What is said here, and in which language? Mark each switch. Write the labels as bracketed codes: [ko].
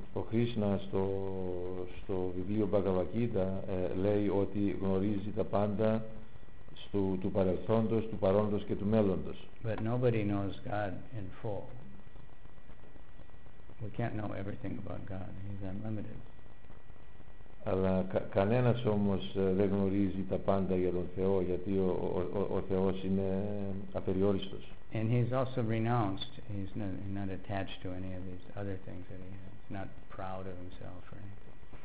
[el] Κρίσνα στο, στο βιβλίο Bhagavad Gita λέει ότι γνωρίζει τα πάντα στο, του παρελθόντος, του παρόντος και του μέλλοντος. [en] But nobody knows God in full. We can't know everything about God. He's unlimited. [el] Αλλά κανένας όμως δεν γνωρίζει τα πάντα για τον Θεό, γιατί ο Θεός είναι απεριόριστος. [en] And he's also renounced. He's not attached to any of these other things that he has. Not proud of himself or anything.